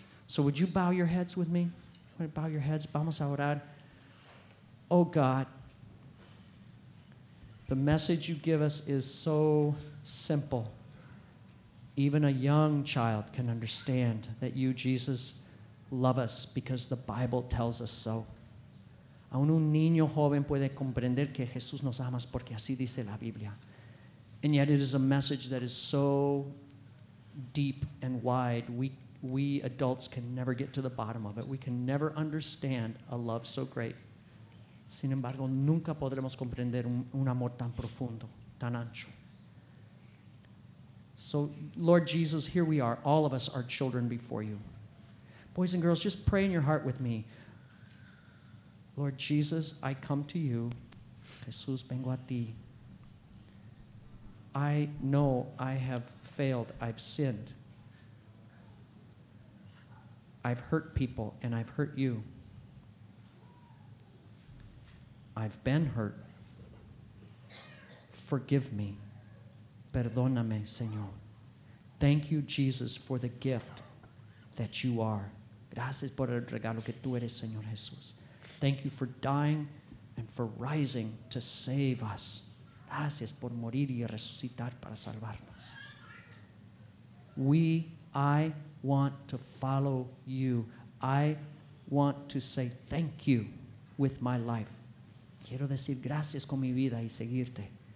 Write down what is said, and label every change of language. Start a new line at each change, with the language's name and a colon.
English: So would you bow your heads with me? Bow your heads.
Spanish: Vamos a orar.
English: Oh, God, the message you give us is so simple. Even a young child can understand that you, Jesus, love us because the Bible tells us so.
Spanish: Aún un niño joven puede comprender que Jesús nos ama porque así dice la Biblia.
English: And yet it is a message that is so deep and wide, we adults can never get to the bottom of it. We can never understand a love so great.
Spanish: Sin embargo, nunca podremos comprender un amor tan profundo, tan ancho.
English: So, Lord Jesus, here we are. All of us are children before you. Boys and girls, just pray in your heart with me. Lord Jesus, I come to you.
Spanish: Jesús, vengo a ti.
English: I know I have failed. I've sinned. I've hurt people, and I've hurt you. I've been hurt. Forgive me.
Spanish: Perdóname, Señor.
English: Thank you, Jesus, for the gift that you are.
Spanish: Gracias por el regalo que tú eres, Señor Jesús.
English: Thank you for dying and for rising to save us.
Spanish: Gracias por morir y resucitar para salvarnos.
English: I want to follow you. I want to say thank you with my life.
Spanish: Quiero decir gracias con mi vida y seguirte.